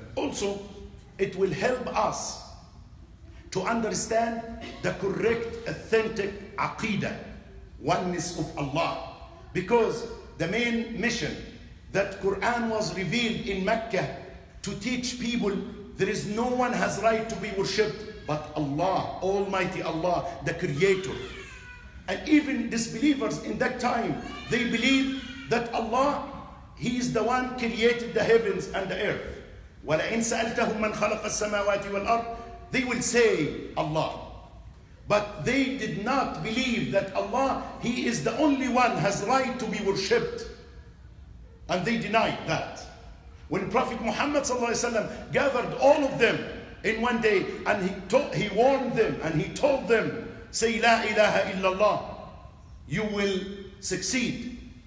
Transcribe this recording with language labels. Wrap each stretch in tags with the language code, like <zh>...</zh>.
<en>Also, it will help us to understand the correct, authentic aqidah, oneness of Allah, because the main mission that Quran was revealed in Mecca to teach people, there is no one has right to be worshipped but Allah, Almighty Allah, the Creator. And even disbelievers in that time, they believe that Allah, He is the one created the heavens and the earth.</en> <ar>وَلَئِنْ سَأَلْتَهُمْ مَنْ خَلَقَ السَّمَاوَاتِ وَالْأَرْضِ,</ar> <en>they will say Allah. But they did not believe that Allah, He is the only one has right to be worshipped. And they denied that. When Prophet Muhammad sallallahu alaihi wasallam gathered all of them in one day, and he warned them and he told them, say</en> <ar>la ilaha illallah,</ar> <en>you will succeed.</en>